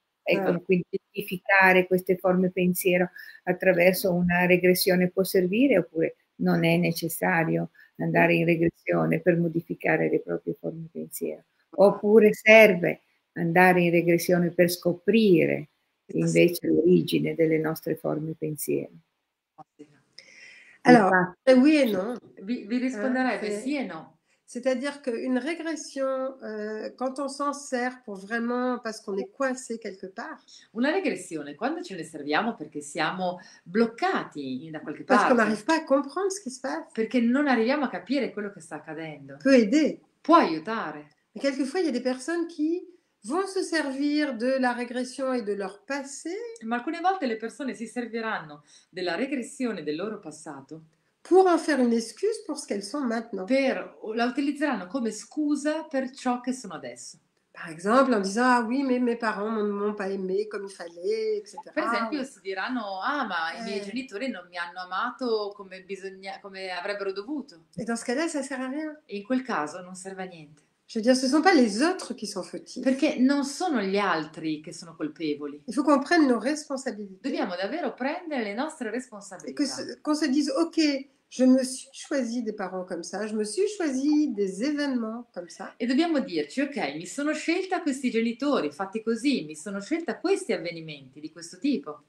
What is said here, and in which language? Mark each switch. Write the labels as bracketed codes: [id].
[it] Ecco, quindi identificare queste forme pensiero attraverso una regressione può servire oppure non è necessario andare in regressione per modificare le proprie forme pensiero? Oppure serve andare in regressione per scoprire invece l'origine delle nostre forme pensiero? [fr] Allora, oui et non. [it] Vi risponderebbe sì e no. [fr] C'est-à-dire qu'une régression, quand on s'en sert pour vraiment, parce qu'on est coincé quelque part, [it] Una regressione, quando ce ne serviamo perché siamo bloccati da qualche [fr] parce qu'on [it] parte, [fr] n'arrive pas à comprendre ce qui se passe, [it] perché non arriviamo a capire quello che sta accadendo, [fr] peut aider. [it] può aiutare. [fr] Mais quelquefois, il y a des personnes qui vont se servir de la régression et de leur passé [it] Ma alcune volte le persone si serviranno della regressione del loro passato [fr] pour en faire une excuse pour ce qu'elles sont maintenant. [it] la utilizzeranno come scusa per ciò che sono adesso. [fr] Par exemple, en disant, ah oui, mais mes parents ne m'ont pas aimé comme il fallait, [it] Per esempio, [fr] etc. [it] si diranno: Ah, ma i miei genitori non mi hanno amato come avrebbero dovuto. [fr] Et dans ce cas-là, ça sert à rien. [it] E in quel caso non serve a niente. [fr] Je veux dire, ce ne sont pas les autres qui sont fautifs. [it] Perché non sono gli altri che sono colpevoli. [fr] Il faut qu'on prenne nos responsabilités [it] Dobbiamo davvero prendere le nostre [fr] et [it] responsabilità. [fr] qu'on se dise, ok, je me suis choisi des parents comme ça, je me suis choisi des événements comme ça. [it] E dobbiamo dirci, ok, mi sono scelta questi genitori, fatti così, mi sono scelta questi avvenimenti di questo tipo.